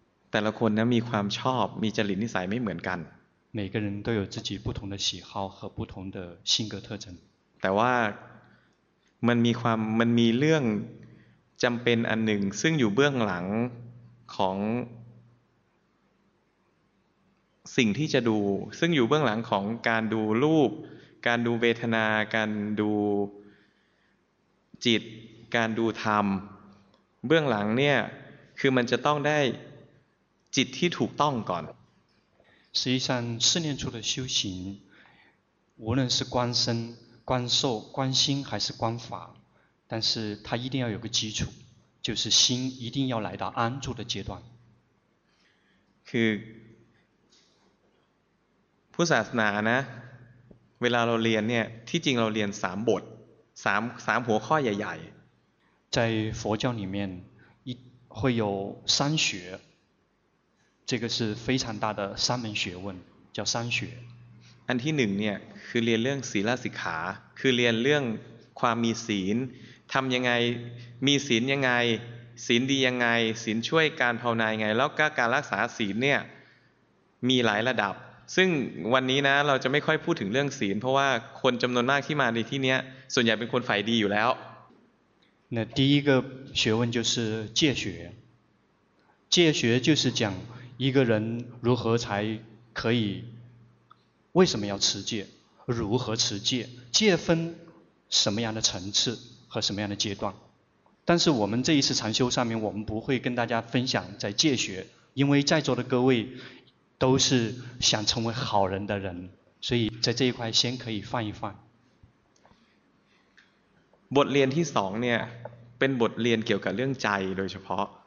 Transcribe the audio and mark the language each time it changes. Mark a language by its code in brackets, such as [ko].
[th] แต่ละคนนะมีความชอบมีจริตนิสัยไม่เหมือนกัน [zh] 每个人都有自己不同的喜好和不同的性格特征 [th] แต่ว่ามันมีเรื่องจำเป็นอันหนึ่งซึ่งอยู่เบื้องหลังของสิ่งที่จะดูซึ่งอยู่เบื้องหลังของการดูรูปการดูเวทนาการดูจิตการดูธรรมเบื้องหลังเนี่ยคือมันจะต้องได้จิตที่ถูกต้องก่อน [zh] 实际上试念处的修行无论是观身观受观心还是观法但是它一定要有个基础就是心一定要来到安住的阶段 [th] คือพุทธศาสนานะเวลาเราเรียนเนี่ยที่จริงเราเรียน3บท3หัวข้อใหญ่ [zh] ๆ在佛教里面会有三学这个是非常大的三门学问叫三学 [th] อันที่หนึ่งเนี่ยคือเรียนเรื่องศีลสิกขาคือเรียนเรื่องความมีศีลทำยังไงมีศีลยังไงศีลดียังไงศีลช่วยการภาวนายังไงแล้วก็การรักษาศีลเนี่ยมีหลายระดับซึ่งวันนี้นะเราจะไม่ค่อยพูดถึงเรื่องศีลเพราะว่าคนจำนวนมากที่มาในที่นี้ส่วนใหญ่เป็นคนฝ่ายดีอยู่แล้ว [zh] 那第一个学问就是戒学戒学就是讲一个人如何才可以为什么要持戒如何持戒戒分什么样的层次和什么样的阶段但是我们这一次禅修上面我们不会跟大家分享在戒学因为在座的各位都是想成为好人的人所以在这一块先可以放一放 [th] บทเรียนที่สองเนี่ยเป็นบทเรียนเกี่ยวกับเรื่องใจโดยเฉพาะ